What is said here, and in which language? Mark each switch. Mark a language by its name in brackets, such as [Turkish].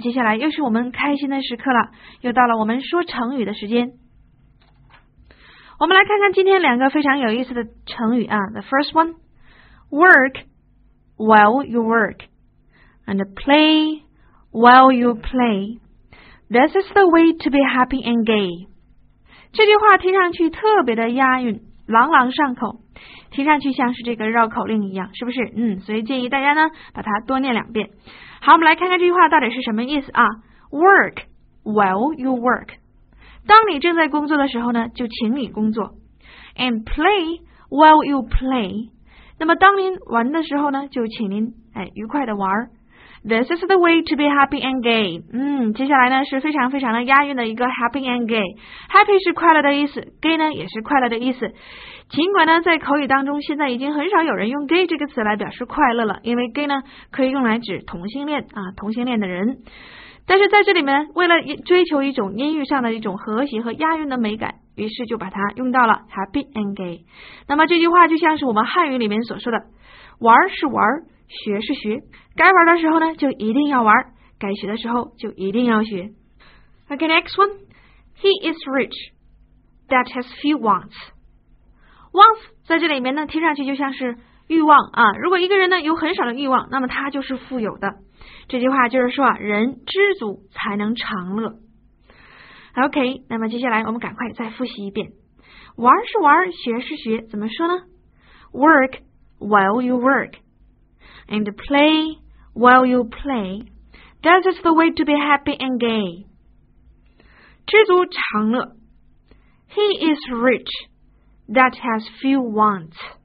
[Chinese] 接下来又是我们开心的时刻了，又到了我们说成语的时间。我们来看看今天两个非常有意思的成语啊。 [English] The first one, work while you work, and play while you play. This is the way to be happy and gay. [Chinese] 这句话听上去特别的押韵，朗朗上口，听上去像是这个绕口令一样，是不是？所以建议大家呢把它多念两遍。好，我们来看看这句话到底是什么意思啊。 [English] Work while you work， [Chinese] 当你正在工作的时候呢就请你工作。 [English] And play while you play， [Chinese] 那么当您玩的时候呢就请您愉快的玩。 [English] This is the way to be happy and gay。 [Chinese] 接下来呢是非常非常的押韵的一个 [English] happy and gay。 [Chinese] Happy 是快乐的意思， gay 呢也是快乐的意思。尽管呢在口语当中现在已经很少有人用 gay 这个词来表示快乐了，因为 gay 呢可以用来指同性恋啊，同性恋的人。但是在这里面为了追求一种音域上的一种和谐和押韵的美感，于是就把它用到了 [English] happy and gay。 [Chinese] 那么这句话就像是我们汉语里面所说的，玩是玩，学是学，该玩的时候呢就一定要玩，该学的时候就一定要学。 [English] OK, next one. He is rich that has few wants。 [Chinese] Wants 在这里面呢听上去就像是欲望啊，如果一个人呢有很少的欲望，那么他就是富有的。这句话就是说啊，人知足才能长乐。 OK， 那么接下来我们赶快再复习一遍。玩是玩，学是学，怎么说呢？ [English] Work while you work and play while you play. That is the way to be happy and gay. [Chinese] 知足常乐。 [English] He is richthat has few wants.